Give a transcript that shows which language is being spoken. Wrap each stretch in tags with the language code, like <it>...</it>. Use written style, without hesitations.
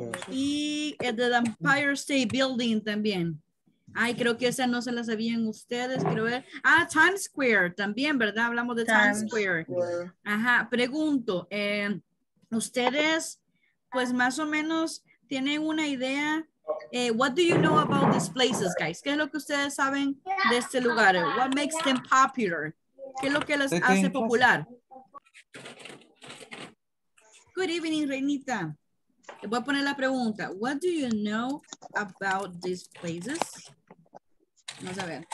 <es>Y el del Empire State Building también. Ay, creo que esa no se la sabían ustedes, creo. Ah, Times Square también, ¿verdad? Hablamos de Times Square. Ajá. Pregunto, ustedes, pues más o menos, tienen una idea.</es> <en>What do you know about these places, guys?</en> <es>¿Qué es lo que ustedes saben de este lugar?</es> <en>What makes them popular?</en> <es>¿Qué es lo que les hace popular?</es> <en>Good evening, Reinita.</en> <es>Te voy a poner la pregunta.</es> <en>What do you know about these places?</en> <es>Vamos a ver.</es>